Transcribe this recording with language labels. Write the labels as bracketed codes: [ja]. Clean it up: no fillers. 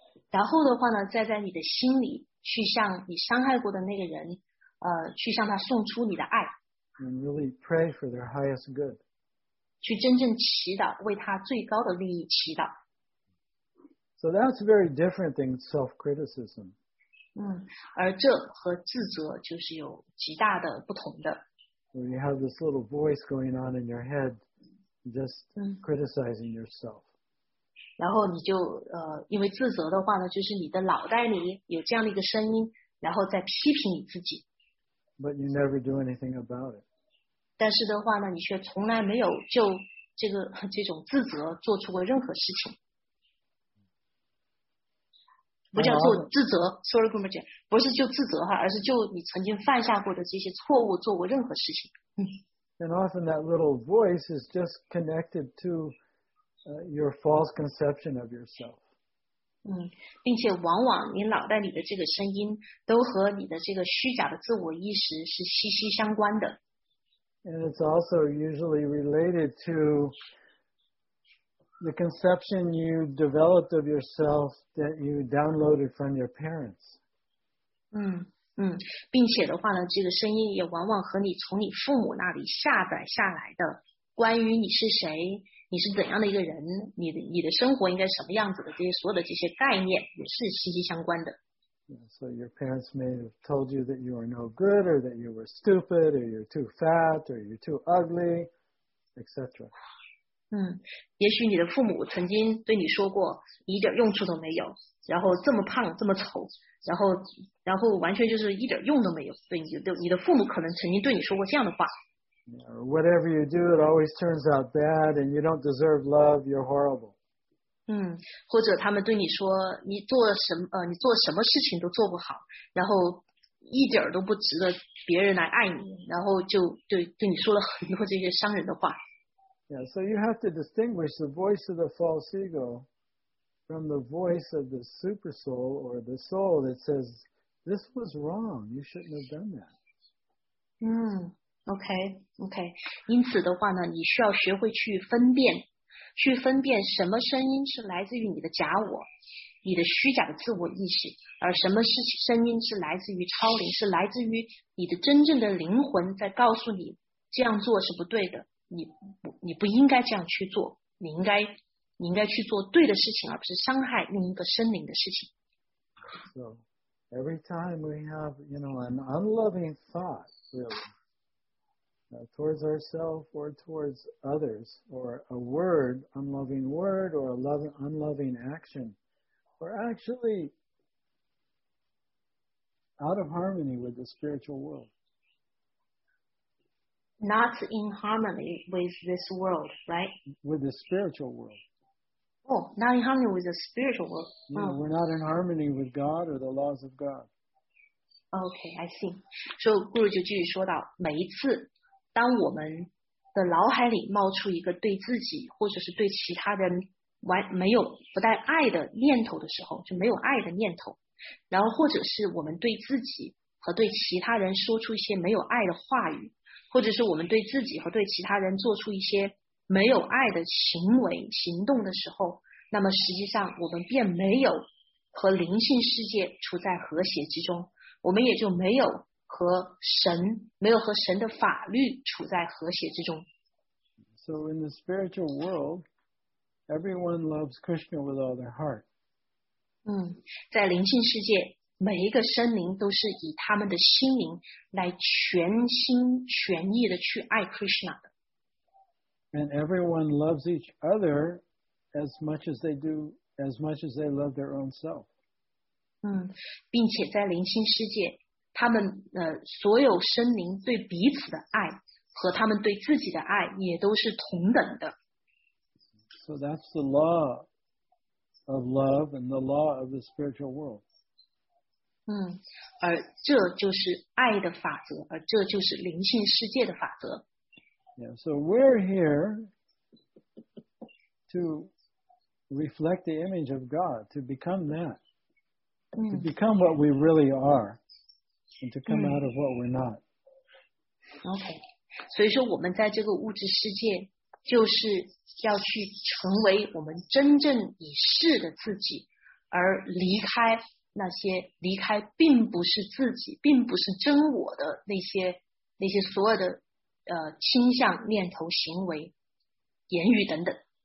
[zh] 然后的话呢再在你的心里去向你伤害过的那个人去向他送出你的爱。 [en] And really pray for their highest good. [zh] 去真正祈祷为他最高的利益祈祷。 [en] So that's very different than self-criticism. [zh] 而这和自责就是有极大的不同的。 [en] So you have this little voice going on in your head, just criticizing yourself. [zh] 然后你就因为自责的话呢，就是你的脑袋里有这样的一个声音，然后再批评你自己。 [en] But you never do anything about it. [zh] 但是的话呢，你却从来没有就这种自责做出过任何事情。不叫做自责 ， [en] sorry, [zh] Guruji, 不是就自责哈，而是就你曾经犯下过的这些错误做过任何事情。 [en] And often that little voice is just connected to your false conception of yourself. [zh] 并且往往你脑袋里的这个声音都和你的这个虚假的自我意识是息息相关的。 [en] And it's also usually related to the conception you developed of yourself that you downloaded from your parents. [zh] 并且的话呢，这个声音也往往和你从你父母那里下载下来的关于你是谁，你是怎样的一个人，你的生活应该什么样子的，这些所有的这些概念也是息息相关的。 [en] So your parents may have told you that you are no good, or that you were stupid, or you're too fat, or you're too ugly, etc. [zh] 也许你的父母曾经对你说过，你一点用处都没有，然后这么胖，这么丑，然后完全就是一点用都没有。对你的父母可能曾经对你说过这样的话。 [en] Whatever you do, it always turns out bad, and you don't deserve love. You're horrible. [zh] 或者他们对你说你做什么事情都做不好，然后一点都不值得别人来爱你，然后就对你说了很多这些伤人的话。 [en] Yeah, so you have to distinguish the voice of the false ego from the voice of the super soul or the soul that says, this was wrong, you shouldn't have done that. Okay. [zh] 因此的话呢，你需要学会去分辨什么声音是来自于你的假我，你的虚假的自我意识，而什么声音是来自于超灵，是来自于你的真正的灵魂在告诉你这样做是不对的，你不应该这样去做，你应该去做对的事情，而不是伤害另一个生灵的事情。 [en] So every time we have, you know, an unloving thought, really. Towards ourselves or towards others, or a word, unloving word, or a unloving action, or actually out of harmony with the spiritual world. Not in harmony with this world, right? With the spiritual world. Oh, not in harmony with the spiritual world. No, we're not in harmony with God or the laws of God. Okay, I see. [zh] So Guru 就继续说到，每一次当我们的脑海里冒出一个对自己或者是对其他人没有不带爱的念头的时候，就没有爱的念头，然后或者是我们对自己和对其他人说出一些没有爱的话语，或者是我们对自己和对其他人做出一些没有爱的行为行动的时候，那么实际上我们便没有和灵性世界处在和谐之中，我们也就没有和神，没有和神的法律处在和谐之中。 [en] So in the spiritual world, everyone loves Krishna with all their heart. [zh] 在灵性世界，每一个生灵都是以他们的心灵来全心全意的去爱 Krishna 的。 [en] And everyone loves each other as much as they love their own self. [zh] 并且在灵性世界他们所有生灵对彼此的爱和他们对自己的爱也都是同等的。 [en] So that's the law of love and the law of the spiritual world. [zh] 而这就是爱的法则，而这就是灵性世界的法则。 [en] Yeah, so we're here to reflect the image of God, to become that, to become what we really are. And to come out of what we're not. Okay. [zh] 所以说我们在这个物质世界就是要去成为我们真正已是的自己，而离开那些离开并不是自己并不是真我的那些所有的倾向念头行为言语等等。